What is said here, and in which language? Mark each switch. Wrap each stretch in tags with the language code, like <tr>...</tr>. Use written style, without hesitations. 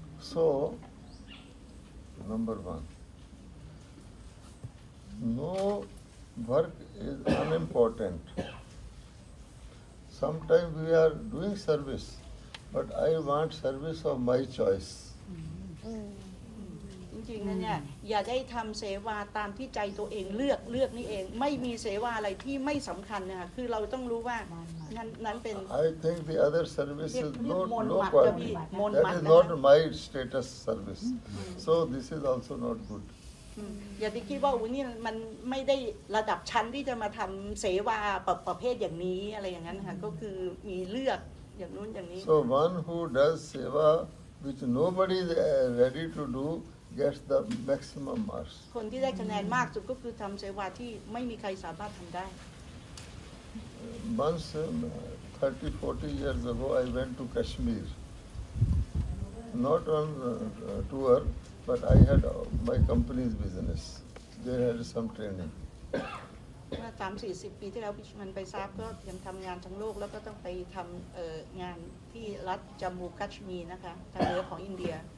<en>so number one no work is unimportant sometimes we are doing service but I want service of my choice</en> <th>จริงๆนะเนี่ยอย่าได้ทำเสวาตามที่ใจตัวเองเลือกเลือกนี่เองไม่มีเสวาอะไรที่ไม่สำคัญนะคะคือเราต้องรู้ว่านั้นเป็น</th> <en>I think the other service is not low quality that is not my status service so this is also not good</en> <th>อย่าไปคิดว่าอุ้ยนี่มันไม่ได้ระดับชั้นที่จะมาทำเสวาประเภทอย่างนี้อะไรอย่างนั้นค่ะก็คือมีเลือกอย่างนู้นอย่างนี้</th> <en>so one who does seva which nobody is ready to doGets the maximum marks.</en> <th>คนที่ได้คะแนนมากสุดก็คือทำเสวาที่ไม่มีใครสามารถทำได้</th> <en>Once 30-40 years ago I went to Kashmir. Not on tour, but I had my company's business. They had some training.</en> <th>30-40 ปีที่แล้วมันไปทราบก็ยังทำงานทั้งโลกแล้วก็ต้องไปทำงานที่รัฐจัมมูคัชมีร์นะคะทางเหนือของอินเดีย</th>